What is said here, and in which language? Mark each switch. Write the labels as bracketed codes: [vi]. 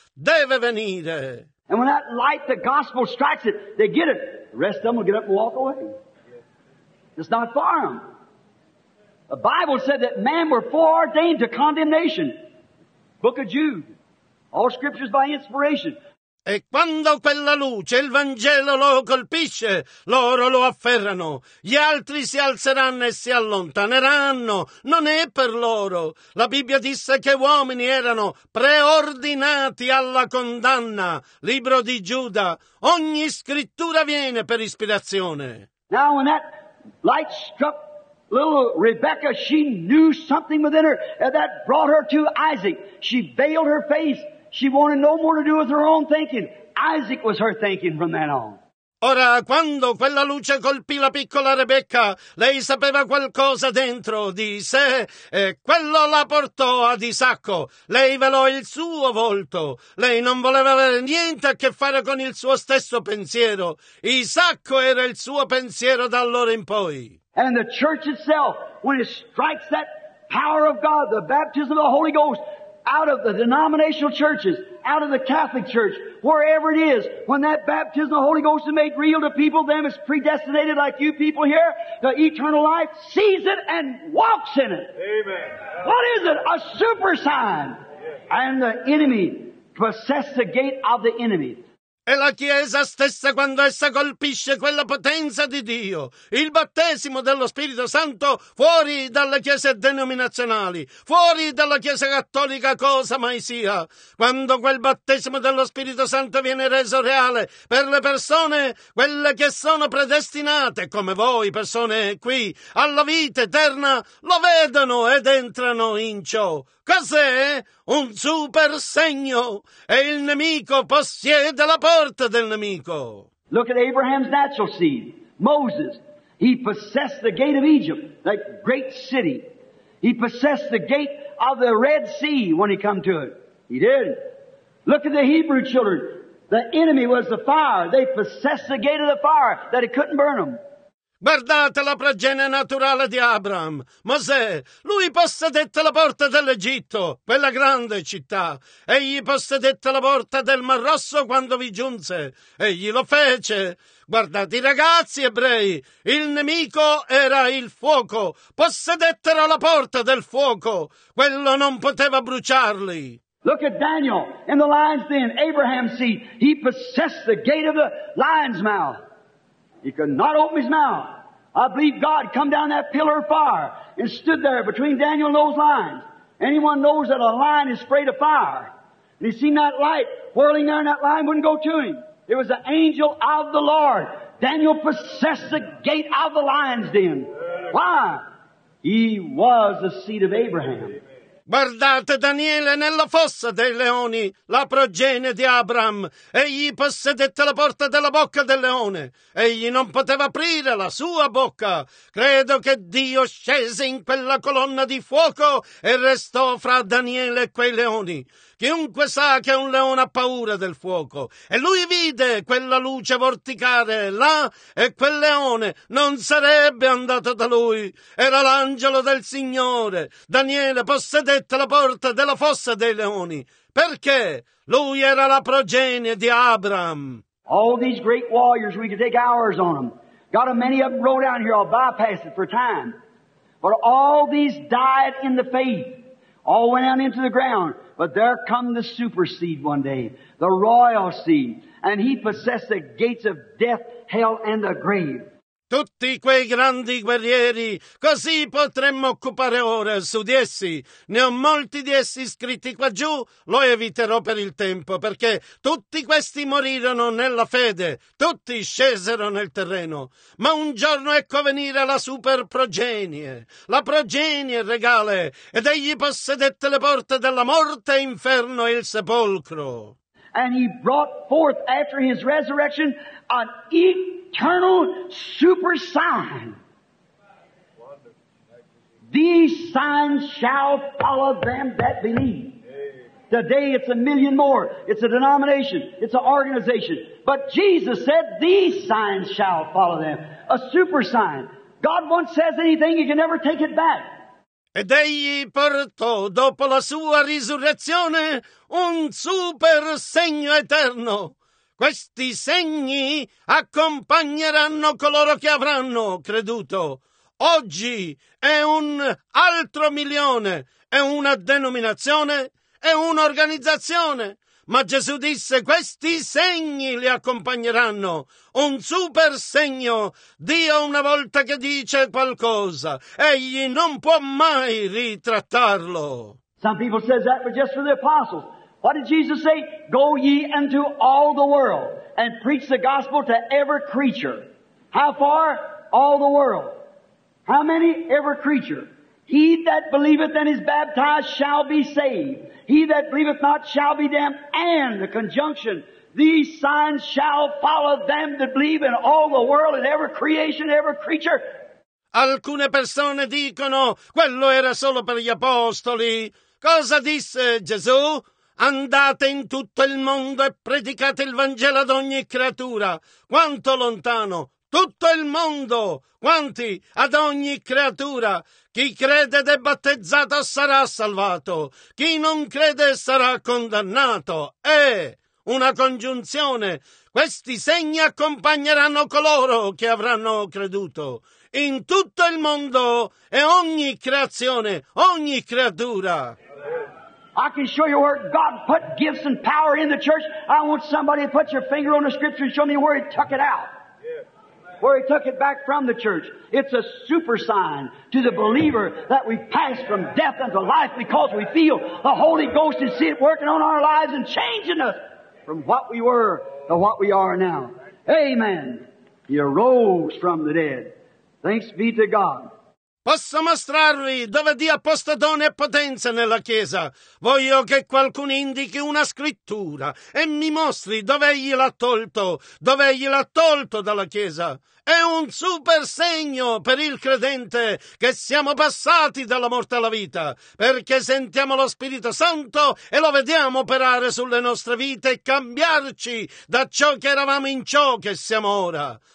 [it] Deve venire. [en] And when that light, the gospel, strikes it, they get it. The rest of them will get up and walk away. It's not for them. The Bible said that man were foreordained to condemnation. Book of Jude. All scriptures by inspiration. [it] E quando quella luce, il Vangelo, lo colpisce, loro lo afferrano. Gli altri si alzeranno e si allontaneranno. Non è per loro. La Bibbia disse che uomini erano preordinati alla condanna. Libro di Giuda. Ogni scrittura viene per ispirazione. [en] Now when that light struck little Rebecca, she knew something within her that brought her to Isaac. She veiled her face. She wanted no more to do with her own thinking. Isaac was her thinking from then on. [it] Ora, quando quella luce colpì la piccola Rebecca, lei sapeva qualcosa dentro di sé e quello la portò ad Isacco. Lei velò il suo volto. Lei non voleva avere niente a che fare con il suo stesso pensiero. Isacco era il suo pensiero da allora in poi. [en] And the church itself, when it strikes that power of God, the baptism of the Holy Ghost, out of the denominational churches, out of the Catholic Church, wherever it is, when that baptism of the Holy Ghost is made real to people, them is predestinated like you people here, the eternal life, sees it and walks in it. Amen. What is it? A super sign. And the enemy possesses the gate of the enemy. [it] E la Chiesa stessa, quando essa colpisce quella potenza di Dio, il battesimo dello Spirito Santo, fuori dalle chiese denominazionali, fuori dalla Chiesa Cattolica, cosa mai sia, quando quel battesimo dello Spirito Santo viene reso reale per le persone, quelle che sono predestinate, come voi, persone qui, alla vita eterna, lo vedono ed entrano in ciò. Cos'è? Un super segno. E il nemico possiede la porta del nemico. [en] Look at Abraham's natural seed. Moses. He possessed the gate of Egypt, that great city. He possessed the gate of the Red Sea when he come to it. He did. Look at the Hebrew children. The enemy was the fire. They possessed the gate of the fire that it couldn't burn them. [it] Guardate la progenie naturale di Abram, Mosè, lui possedette la porta dell'Egitto, quella grande città, egli possedette la porta del Mar Rosso quando vi giunse, egli lo fece. Guardate i ragazzi ebrei, il nemico era il fuoco, possedettero la porta del fuoco, quello non poteva bruciarli. [en] Look at Daniel in the lion's den, Abraham's seed, he possessed the gate of the lion's mouth. He could not open his mouth. I believe God come down that pillar of fire and stood there between Daniel and those lions. Anyone knows that a lion is afraid of fire. And he seen that light whirling there and that lion wouldn't go to him. It was the angel of the Lord. Daniel possessed the gate of the lion's den. Why? He was the seed of Abraham. [it] Guardate Daniele nella fossa dei leoni, la progenie di Abram. Egli possedette la porta della bocca del leone. Egli non poteva aprire la sua bocca. Credo che Dio scese in quella colonna di fuoco e restò fra Daniele e quei leoni. Chiunque sa che un leone ha paura del fuoco. E lui vide quella luce vorticare là e quel leone non sarebbe andato da lui. Era l'angelo del Signore. Daniele possedette la porta della fossa dei leoni. Perché? Lui era la progenie di Abram. [en] All these great warriors, we could take hours on them. Got a many of them wrote down here, I'll bypass it for time. But all these died in the faith. All went down into the ground. But there come the super seed one day, the royal seed, and he possessed the gates of death, hell, and the grave. [it] Tutti quei grandi guerrieri, così potremmo occupare ore su di essi. Ne ho molti di essi scritti qua giù, lo eviterò per il tempo, perché tutti questi morirono nella fede, tutti scesero nel terreno. Ma un giorno ecco venire la super progenie, la progenie regale, ed egli possedette le porte della morte, inferno e il sepolcro. [en] And he brought forth after his resurrection an eternal super sign. These signs shall follow them that believe. Today it's a million more. It's a denomination. It's an organization. But Jesus said these signs shall follow them. A super sign. God once says anything, you can never take it back. [it] Ed egli portò, dopo la sua risurrezione, un super segno eterno. Questi segni accompagneranno coloro che avranno creduto. Oggi è un altro milione, è una denominazione, è un'organizzazione. Ma Gesù disse, questi segni li accompagneranno. Un super segno. Dio, una volta che dice qualcosa, egli non può mai ritrattarlo. [en] Some people say that, but just for the apostles. What did Jesus say? Go ye into all the world and preach the gospel to every creature. How far? All the world. How many? Every creature. He that believeth and is baptized shall be saved. He that believeth not shall be damned. And the conjunction, these signs shall follow them that believe in all the world and every creation, every creature. [it] Alcune persone dicono, quello era solo per gli apostoli. Cosa disse Gesù? Andate in tutto il mondo e predicate il Vangelo ad ogni creatura. Quanto lontano? Tutto il mondo! Quanti? Ad ogni creatura! Chi crede ed è battezzato sarà salvato. Chi non crede sarà condannato. È una congiunzione. Questi segni accompagneranno coloro che avranno creduto. In tutto il mondo e ogni creazione, ogni creatura. [en] I can show you where God put gifts and power in the church. I want somebody to put your finger on the scripture and show me where he took it out. Where he took it back from the church. It's a super sign to the believer that we pass from death unto life because we feel the Holy Ghost is see it working on our lives and changing us from what we were to what we are now. Amen. He arose from the dead. Thanks be to God. [it] Posso mostrarvi dove Dio ha posto dono e potenza nella Chiesa. Voglio che qualcuno indichi una scrittura e mi mostri dove egli l'ha tolto, dove egli l'ha tolto dalla Chiesa. È un super segno per il credente che siamo passati dalla morte alla vita, perché sentiamo lo Spirito Santo e lo vediamo operare sulle nostre vite e cambiarci da ciò che eravamo in ciò che siamo ora.